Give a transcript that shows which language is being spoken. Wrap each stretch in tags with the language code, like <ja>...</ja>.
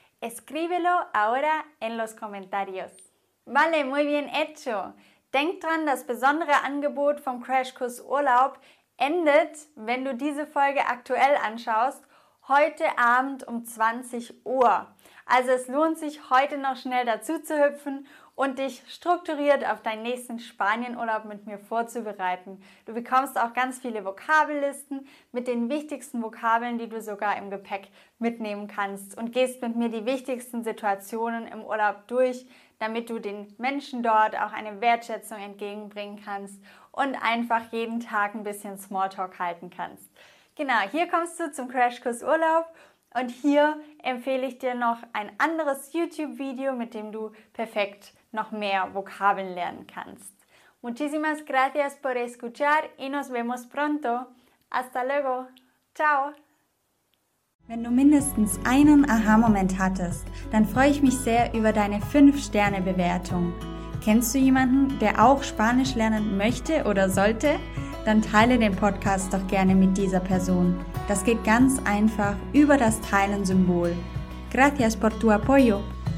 <es>Escríbelo ahora en los comentarios. Vale, muy bien hecho.</es> <de>Denk dran, das besondere Angebot vom Crashkurs Urlaub endet, wenn du diese Folge aktuell anschaust, heute Abend um 20 Uhr. Also es lohnt sich, heute noch schnell dazu zu hüpfen und dich strukturiert auf deinen nächsten Spanienurlaub mit mir vorzubereiten. Du bekommst auch ganz viele Vokabellisten mit den wichtigsten Vokabeln, die du sogar im Gepäck mitnehmen kannst und gehst mit mir die wichtigsten Situationen im Urlaub durch, damit du den Menschen dort auch eine Wertschätzung entgegenbringen kannst und einfach jeden Tag ein bisschen Smalltalk halten kannst. Genau, hier kommst du zum Crashkurs Urlaub. Und hier empfehle ich dir noch ein anderes YouTube-Video, mit dem du perfekt noch mehr Vokabeln lernen kannst.</de> <es>Muchísimas gracias por escuchar y nos vemos pronto. Hasta luego. Ciao.</es> <de>Wenn du mindestens einen Aha-Moment hattest, dann freue ich mich sehr über deine 5-Sterne-Bewertung. Kennst du jemanden, der auch Spanisch lernen möchte oder sollte? Dann teile den Podcast doch gerne mit dieser Person. Das geht ganz einfach über das Teilen-Symbol.</de> <es>Gracias por tu apoyo.</es>